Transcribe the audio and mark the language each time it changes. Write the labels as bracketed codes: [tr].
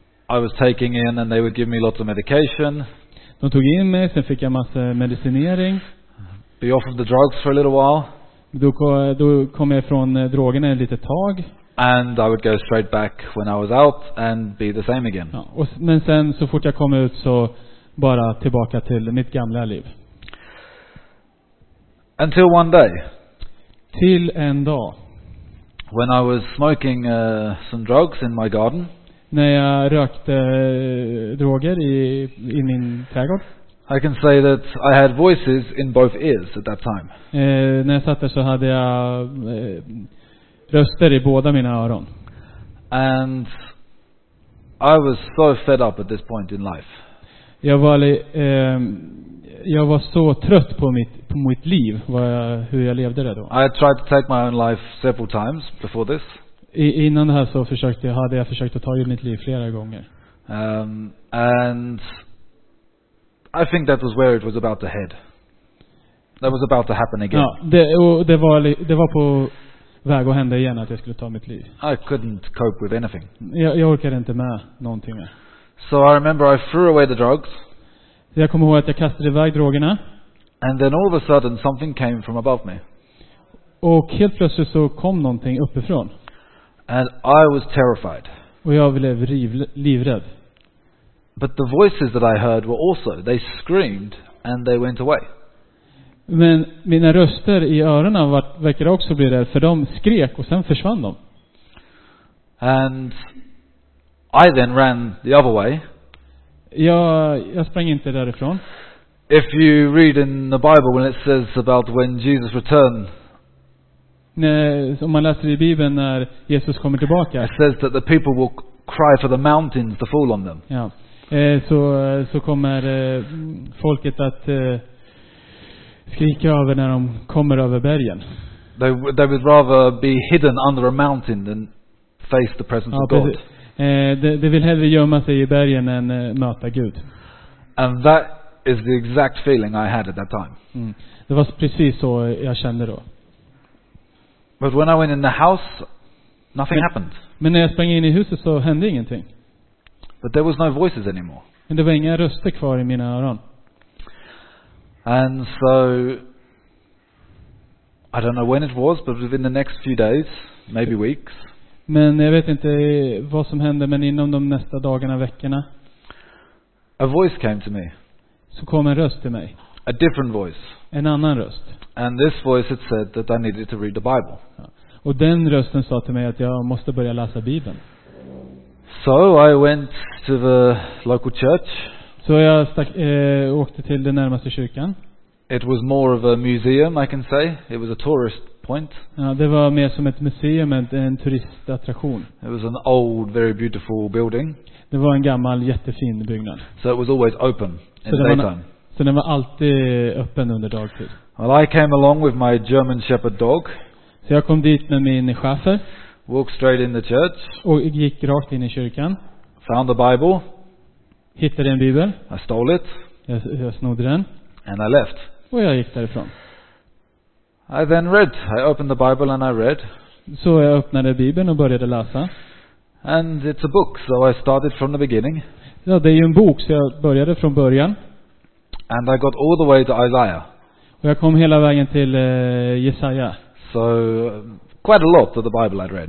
[en] I was taking in and they would give me lots of medication. [sv] De tog in mig, sen fick jag massa medicinering. [en] Be off of the drugs for a little while. [sv] Då kom jag från drogerna en litet tag. [en] And I would go straight back when I was out and be the same again. [sv] Ja, men sen så fort jag kom ut så bara tillbaka till mitt gamla liv. [en] Until one day. [sv] Till en dag. [en] When I was smoking some drugs in my garden. [sv] När jag rökte droger i min trädgård. [en] I can say that I had voices in both ears at that time. [sv] När jag satt där så hade jag röster i båda mina öron. [en] And I was so fed up at this point in life. [sv] Jag var så trött på mitt liv, hur jag levde det då. [en] I tried to take my own life several times before this. [sv] Innan det här så hade jag försökt att ta mitt liv flera gånger. [en] And I think that was where it was about to head. That was about to happen again. [sv] Ja, det var på väg att hända igen att jag skulle ta mitt liv. [en] I couldn't cope with anything. [sv] Jag orkade inte med någonting. [en] So I remember I threw away the drugs. [sv] Jag kommer ihåg att jag kastade iväg drogerna. [en] And then all of a sudden something came from above me. [sv] Och helt plötsligt så kom någonting uppifrån. [en] And I was terrified. [sv] Och jag blev livrädd. [en] But the voices that I heard were also, they screamed and they went away. [sv] Men mina röster i öronen verkade också bli rädd, för de skrek och sen försvann de. [en] And I then ran the other way. [sv] Jag sprang inte därifrån. [en] If you read in the Bible when it says about when Jesus returned. [sv] Nej, om man läser i Bibeln när Jesus kommer tillbaka. [en] It says that the people will cry for the mountains to fall on them. [sv] Ja. Så kommer folket att skrika över när de kommer över bergen. [en] They would rather be hidden under a mountain than face the presence of God. [sv] De vill hellre gömma sig i bergen än möta Gud. [en] And that is the exact feeling I had at that time. [sv] Det var precis så jag kände då. [en] But when I went in the house, nothing happened. [sv] Men när jag sprang in i huset så hände ingenting. [en] But there was no voices anymore. [sv] Men det var inga röster kvar i mina öron. [en] And so I don't know when it was, but within the next few days, maybe weeks. [sv] Men jag vet inte vad som hände, men inom de nästa dagarna, veckorna. [en] A voice came to me. [sv] Så kom en röst till mig. [en] A different voice. [sv] En annan röst. [en] And this voice had said that I needed to read the Bible. [sv] Ja. Och den rösten sa till mig att jag måste börja läsa Bibeln. [en] So I went to the local church. [sv] Så jag åkte till den närmaste kyrkan. [en] It was more of a museum, I can say. It was a tourist. point. [sv] Det var mer som ett museum, en turistattraktion. [en] It was an old, very beautiful building. [sv] Det var en gammal, jättefin byggnad. [en] So it was always open in the daytime. [sv] Så den var alltid öppen under dagtid. [en] Well, I came along with my German Shepherd dog. [sv] Så jag kom dit med min schäfer. [en] Walked straight in the church. [sv] Och gick rakt in i kyrkan. [en] Found the Bible. [sv] Hittade en bibel. [en] I stole it. [sv] Jag snodde den. [en] And I left. [sv] Och jag gick därifrån. [en] I then read. I opened the Bible and I read. [sv] Så jag öppnade bibeln och började läsa. [en] And it's a book, so I started from the beginning. [sv] Ja, det är ju en bok, så jag började från början. [en] And I got all the way to Isaiah. [sv] Och jag kom hela vägen till Jesaja. [en] So quite a lot of the Bible I'd read.